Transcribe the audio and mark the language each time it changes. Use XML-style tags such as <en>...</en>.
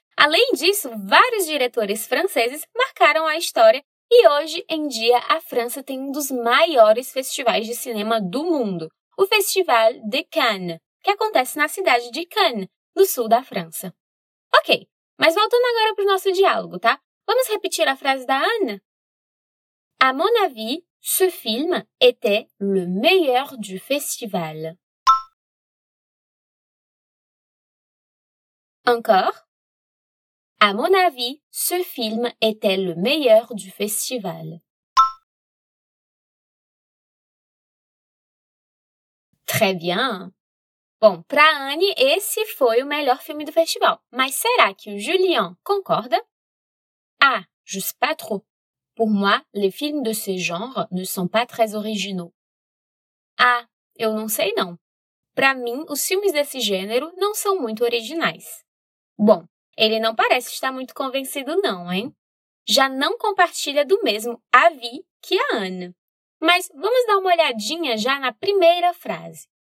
<pt>Além disso, vários diretores franceses marcaram a história e hoje em dia a França tem um dos maiores festivais de cinema do mundo, o Festival de Cannes, que acontece na cidade de Cannes, no sul da França. Ok, Mas voltando agora para o nosso diálogo, tá? Vamos repetir a frase da Anne?</pt> <fr>À mon avis, ce film était le meilleur du festival. Encore? À mon avis, ce film était le meilleur du festival. Très bien!</fr> <pt>Bom, para Anne, esse foi o melhor filme do festival. Mas será que o Julien concorda?</pt> <fr>Ah, je sais pas trop. Pour moi, les films de ce genre ne sont pas très originaux.</fr> <pt>Ah, eu não sei não. Para mim, os filmes desse gênero não são muito originais. Bom, ele não parece estar muito convencido não, hein? Já não compartilha do mesmo avis que a Anne. Mas vamos dar uma olhadinha já na primeira frase.</pt>